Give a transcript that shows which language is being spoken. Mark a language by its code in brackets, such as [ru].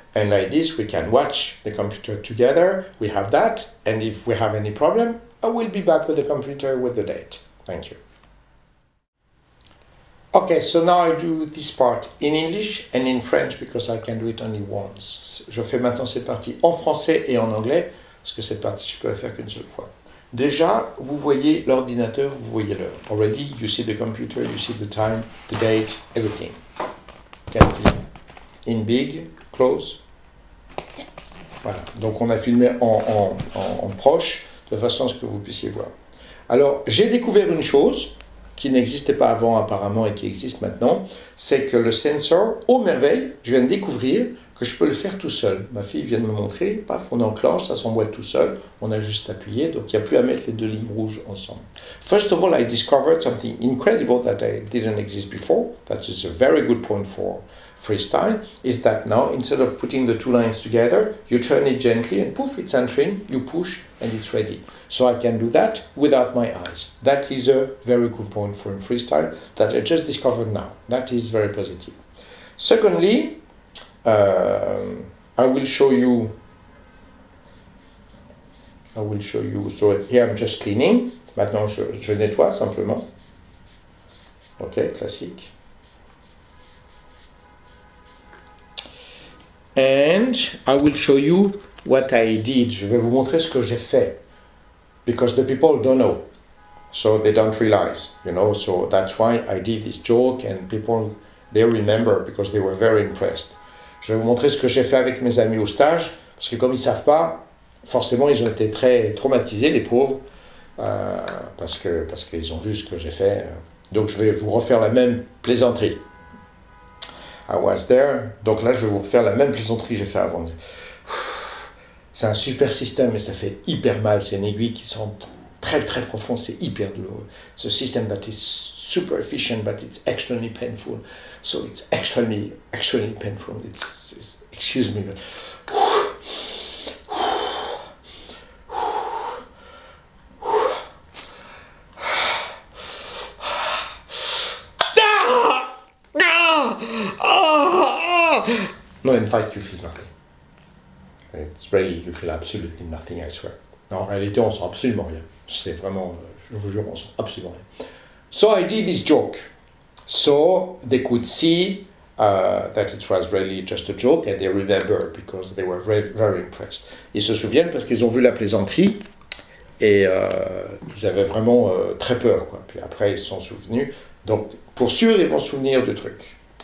[en] And like this, we can watch the computer together. We have that. And if we have any problem, I will be back with the computer with the date. Thank you. Okay, so now I do this part in English and in French because I can do it only once. [fr] Je fais maintenant cette partie en français et en anglais parce que cette partie, je peux la faire qu'une seule fois. Déjà, vous voyez l'ordinateur, vous voyez l'heure. [en] Already, you see the computer, you see the time, the date, everything. Can you film? In big, close. Voilà. [fr] Donc, on a filmé en proche, de façon à ce que vous puissiez voir. Alors, j'ai découvert une chose qui n'existait pas avant apparemment et qui existe maintenant, c'est que le sensor, au merveille, je viens de découvrir que je peux le faire tout seul. Ma fille vient de me montrer, paf, on enclenche, ça s'emboîte tout seul, on a juste appuyé, donc il n'y a plus à mettre les deux lignes rouges ensemble. [en] First of all, I discovered something incredible that didn't exist before, that is a very good point for freestyle, is that now, instead of putting the two lines together, you turn it gently and poof, it's entering, you push and it's ready. So I can do that without my eyes. That is a very good point for freestyle that I just discovered now. That is very positive. Secondly, I will show you, so here I'm just cleaning. [fr] Maintenant, je nettoie simplement. Okay, classique. [en] And I will show you what I did. [fr] Je vais vous montrer ce que j'ai fait. [en] Because the people don't know. So they don't realize, you know. So that's why I did this joke and people, they remember because they were very impressed. [fr] Je vais vous montrer ce que j'ai fait avec mes amis au stage. Parce que comme ils ne savent pas, forcément, ils ont été très traumatisés, les pauvres. Parce qu'ils ont vu ce que j'ai fait. Donc, je vais vous refaire la même plaisanterie. [en] I was there. [fr] Donc là, je vais vous refaire la même plaisanterie que j'ai fait avant. C'est un super système, mais ça fait hyper mal. C'est une aiguille qui sent très, très profond. C'est hyper douloureux. Ce système [en] that is super efficient, but it's extremely painful. So it's extremely, extremely painful. It's excuse me, but no, in fact, you feel nothing. It's really, you feel absolutely nothing, I swear. [fr] Non, en réalité, on sent absolument rien. C'est vraiment, je vous jure, on sent absolument rien. [en] So I did this joke. So they could see that it was really just a joke and they remember because they were very, very impressed. [fr] Ils se souviennent parce qu'ils ont vu la plaisanterie et ils avaient vraiment très peur, quoi. Puis après, ils se sont souvenus. Donc, pour sûr, ils vont se souvenir du truc.